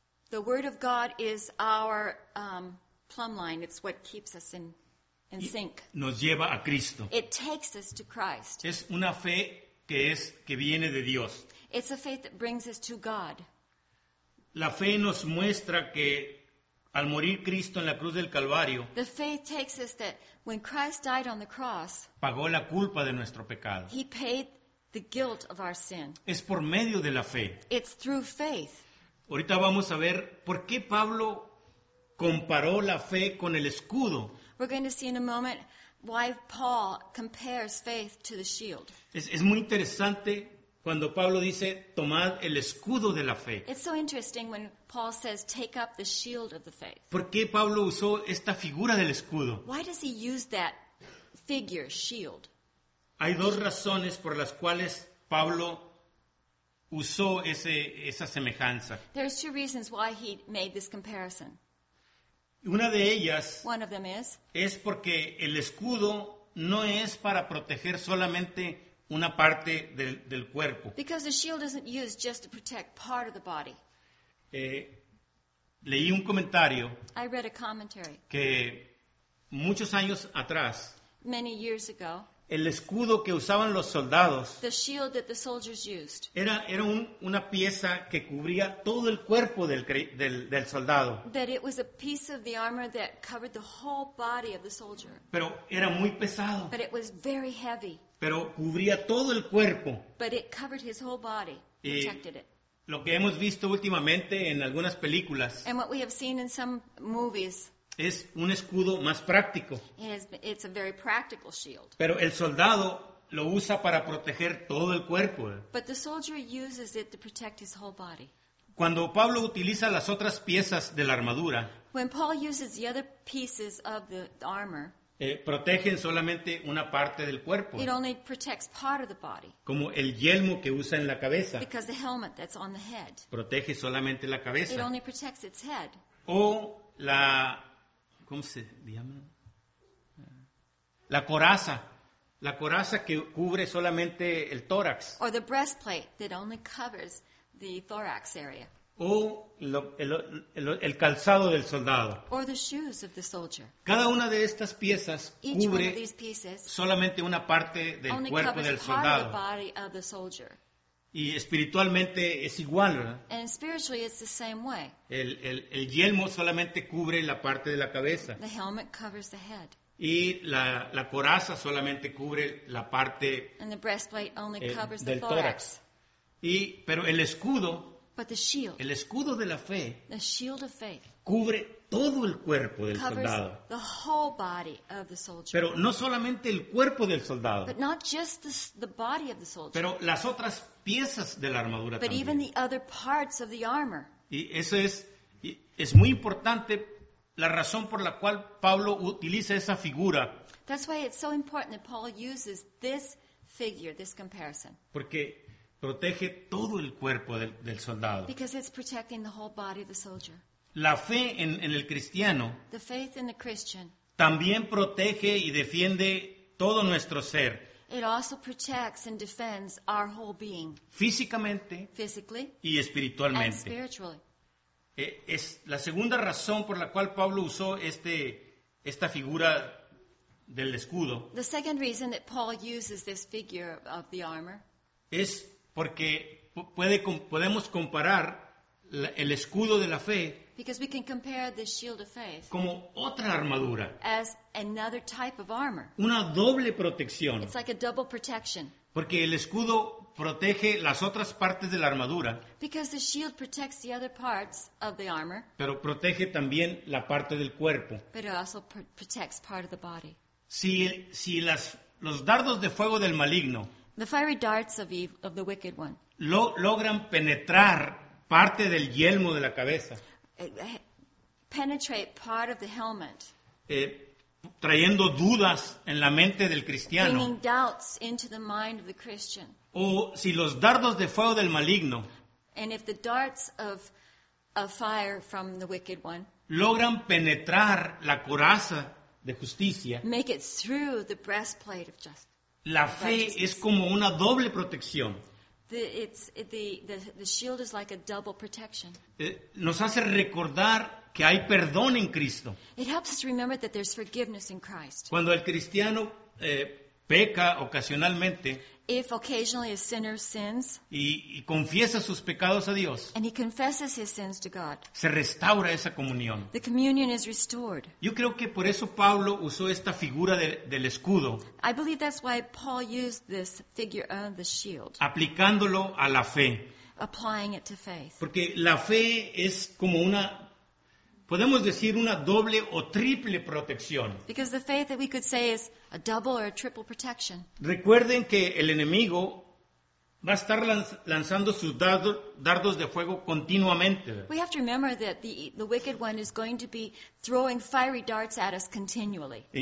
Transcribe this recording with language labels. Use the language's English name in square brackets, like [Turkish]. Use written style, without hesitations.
[English] The word of God is our plumb line. It's what keeps us in sync. [Spanish] Nos lleva a Cristo. [English] It takes us to Christ. [Spanish] Es una fe que viene de Dios. [English] It's a faith that brings us to God. [Spanish] La fe nos muestra que al morir Cristo en la cruz del Calvario. [English] The faith takes us that when Christ died on the cross. [Spanish] Pagó la culpa de nuestro pecado. [English] He paid the guilt of our sin. [Spanish] Es por medio de la fe. [English] It's through faith. [Spanish] Ahorita vamos a ver por qué Pablo comparó la fe con el escudo. [English] We're going to see in a moment why Paul compares faith to the shield. [Spanish] Es muy interesante cuando Pablo dice, tomad el escudo de la fe. [English] It's so interesting when Paul says, take up the shield of the faith. [Spanish] ¿Por qué Pablo usó esta figura del escudo? [English] Why does he use that figure, shield? [Spanish] Hay dos razones por las cuales Pablo usó esa semejanza. [English] There's two reasons why he made this comparison. [Spanish] Una de ellas. [English] One of them is. [Spanish] Es porque el escudo no es para proteger solamente una parte del cuerpo. [English] Because the shield isn't used just to protect part of the body. [Spanish] Leí un comentario. [English] I read a commentary. [Spanish] Que muchos años atrás. [English] Many years ago. [Spanish] El escudo que usaban los soldados. [English] The shield that the soldiers used. [Spanish] Era una pieza que cubría todo el cuerpo del soldado. [English] That it was a piece of the armor that covered the whole body of the soldier. [Spanish] Pero era muy pesado. [English] But it was very heavy. [Spanish] Pero cubría todo el cuerpo. [English] But it covered his whole body, protected it. [Spanish] Lo que hemos visto últimamente en algunas películas. [English] And what we have seen in some movies. [Spanish] Es un escudo más práctico. [English] It's a very practical shield. [Spanish] Pero el soldado lo usa para proteger todo el cuerpo. [English] But the soldier uses it to protect his whole body. [Spanish] Cuando Pablo utiliza las otras piezas de la armadura. [English] When Paul uses the other pieces of the armor. [Spanish] Protegen solamente una parte del cuerpo. [English] It only protects part of the body. [Spanish] Como el yelmo que usa en la cabeza. [English] Because the helmet that's on the head. [Spanish] Protege solamente la cabeza. [English] It only protects its head. [Spanish] O la, ¿cómo se llama? La coraza que cubre solamente el tórax. [English] Or the breastplate that only covers the thorax area. [Spanish] O el calzado del soldado. [English] Or the shoes of the soldier. [Spanish] Cada una de estas piezas cubre solamente una parte del cuerpo del soldado. [English] Only covers part of the body of the soldier. [Spanish] Y espiritualmente es igual, ¿verdad? [English] And spiritually it's the same way. [Spanish] El yelmo solamente cubre la parte de la cabeza. [English] The helmet covers the head. [Spanish] Y la coraza solamente cubre la parte del tórax. Pero el escudo, [English] but the shield, [Spanish] el escudo de la fe, [English] the shield of faith, [Spanish] cubre todo el cuerpo del soldado. [English] The whole body of the soldier. [Spanish] Pero no solamente el cuerpo del soldado, [English] but not just the body of the soldier, [Spanish] pero las otras piezas de la armadura [English] but [Spanish] también. [English] Even the other parts of the armor. [Spanish] Y eso es muy importante. La razón por la cual Pablo utiliza esa figura. [English] That's why it's so important that Paul uses this figure, this comparison. [Spanish] Porque protege todo el cuerpo del soldado. [English] Because it's protecting the whole body of the soldier. [Spanish] La fe en el cristiano. [English] The faith in the Christian. [Spanish] También protege y defiende todo nuestro ser. [English] It also protects and defends our whole being. [Spanish] Físicamente. [English] Physically. [Spanish] Y espiritualmente. [English] And spiritually. [Spanish] Es la segunda razón por la cual Pablo usó esta figura del escudo. [English] The second reason that Paul uses this figure of the armor [Spanish] es porque podemos comparar el escudo de la fe, [English] because we can compare the shield of faith, [Spanish] como otra armadura, [English] as another type of armor, [Spanish] una doble protección. [English] It's like a double protection. [Spanish] Porque el escudo protege las otras partes de la armadura. [English] Because the shield protects the other parts of the armor. [Spanish] Pero protege también la parte del cuerpo. [English] But it also protects part of the body. [Spanish] Si los dardos de fuego del maligno. [English] The fiery darts of the wicked one. [Spanish] Logran penetrar parte del yelmo de la cabeza. [English] Penetrate part of the helmet. [Spanish] Trayendo dudas en la mente del cristiano. [English] Bringing doubts into the mind of the Christian. [Spanish] O si los dardos de fuego del maligno. [English] And if the darts of fire from the wicked one. [Spanish] Logran penetrar la coraza de justicia. [English] Make it through the breastplate of justice. [Spanish] La fe es como una doble protección. [English] The shield is like a double protection. [Spanish] Nos hace recordar que hay perdón en Cristo. [English] It helps us remember that there's forgiveness in Christ. [Spanish] Cuando el cristiano peca ocasionalmente. [English] If occasionally a sinner sins. [Spanish] Y confiesa sus pecados a Dios. [English] And he confesses his sins to God. [Spanish] Se restaura esa comunión. [English] The communion is restored. [Spanish] Yo creo que por eso Pablo usó esta figura del escudo. [English] I believe that's why Paul used this figure of the shield. [Spanish] Aplicándolo a la fe. [English] Applying it to faith. [Spanish] Porque la fe es como una, podemos decir, una doble o triple protección. [English] Because the faith that we could say is a double or a triple protection. [Spanish] Recuerden que el enemigo va a estar lanzando sus dardos de fuego continuamente. [English] We have to remember that the wicked one is going to be throwing fiery darts at us continually.